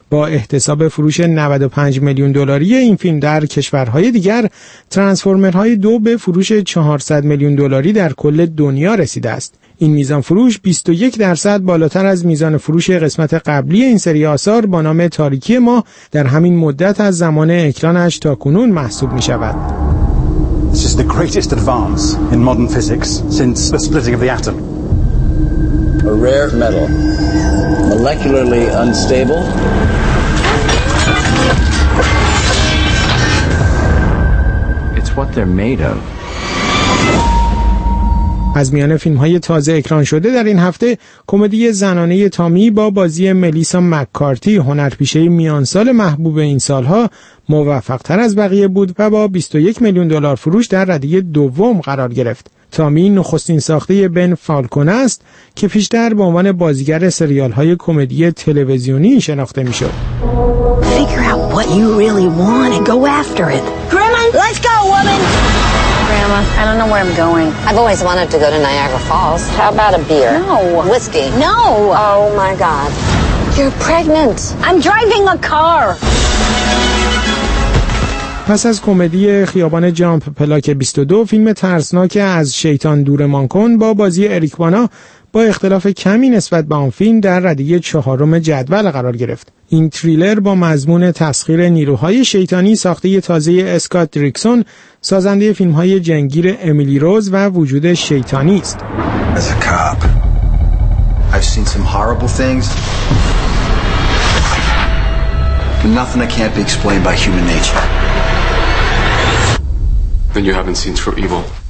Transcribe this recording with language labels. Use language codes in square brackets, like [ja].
[fa] با احتساب فروش 95 میلیون دلاری این فیلم در کشورهای دیگر، ترانسفورمرهای 2 به فروش 400 میلیون دلاری در کل دنیا رسیده است. این میزان فروش 21% بالاتر از میزان فروش قسمت قبلی این سری آثار با نام تاریکی ما در همین مدت از زمان اکرانش تا کنون محسوب می شود. [en] This is the greatest advance in modern physics since the splitting of the atom. A rare metal. Molecularly unstable. It's what they're made of. [fa] از میان فیلم‌های تازه اکران شده در این هفته، کمدی زنانه تامی با بازی ملیسا مک‌کارتی، هنرپیشه میانسال محبوب این سال‌ها، موفق‌تر از بقیه بود و با 21 میلیون دلار فروش در رده دوم قرار گرفت. تامی نخستین ساخته بن فالکون است که پیشتر به عنوان بازیگر سریال‌های کمدی تلویزیونی شناخته می‌شد. [en] Figure out what you really want and go after it. Grandma, let's go, woman. Grandma, I don't know where I'm going. I've always wanted to go to Niagara Falls. How about a beer? No. Whiskey? No. Oh my God. You're pregnant. I'm driving a car. [fa] پس از کمدی خیابان جامپ پلاک 22، فیلم ترسناک از شیطان دورمان کن با بازی اریک بانا با اختلاف کمی نسبت به آن فیلم در رده چهارم جدول قرار گرفت. این تریلر با مضمون تسخیر نیروهای شیطانی ساخته تازه اسکات دریکسون، سازنده فیلم‌های جنگیر امیلی روز و وجود شیطانی است. [en] As a cop, I've seen some horrible things. Nothing that can't be explained by human nature. Then you haven't seen true evil.